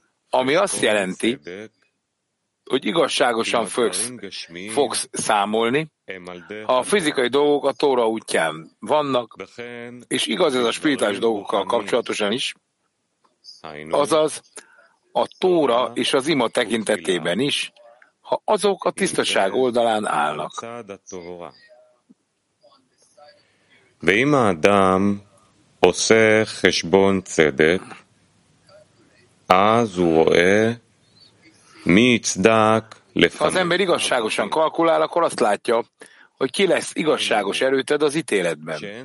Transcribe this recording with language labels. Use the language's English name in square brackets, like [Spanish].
[Hungarian] Ami azt jelenti, hogy igazságosan fogsz számolni, ha a fizikai dolgok a Tóra útján vannak, és igaz ez a spirituális dolgokkal kapcsolatosan is, azaz a Tóra és az ima tekintetében is, ha azok a tisztaság oldalán állnak. [Hebrew] ואם האדם עושה חשבון צדק, אז הוא רואה מי יצדק לפניו. [Hungarian] Ha az ember igazságosan kalkulál, akkor azt látja, hogy ki lesz igazságos erőted az ítéletben.